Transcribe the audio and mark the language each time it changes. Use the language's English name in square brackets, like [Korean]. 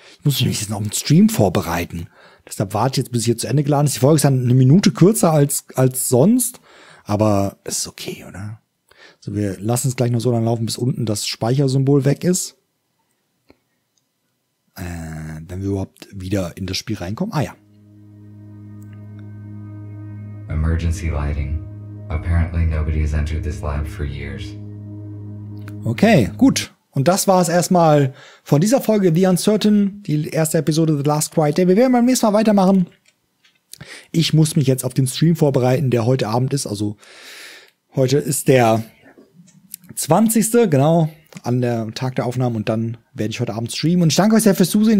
[German] Ich muss mich nämlich jetzt noch im Stream vorbereiten. Deshalb warte ich jetzt, bis ich hier zu Ende geladen ist. Die Folge ist dann eine Minute kürzer als sonst. Aber es ist okay, oder? So, wir lassen es gleich noch so lange laufen, bis unten das Speichersymbol weg ist. Wenn wir überhaupt wieder in das Spiel reinkommen. Ah ja. [English] Emergency lighting. Apparently nobody has entered this lab for years. [German] Okay, gut. Und das war es erstmal von dieser Folge The Uncertain, die erste Episode The Last Quiet Day. Wir werden beim nächsten Mal weitermachen. Ich muss mich jetzt auf den Stream vorbereiten, der heute Abend ist. Also heute ist der 20. genau, an der Tag der Aufnahme. Und dann werde ich heute Abend streamen. Und ich danke euch sehr fürs Zusehen.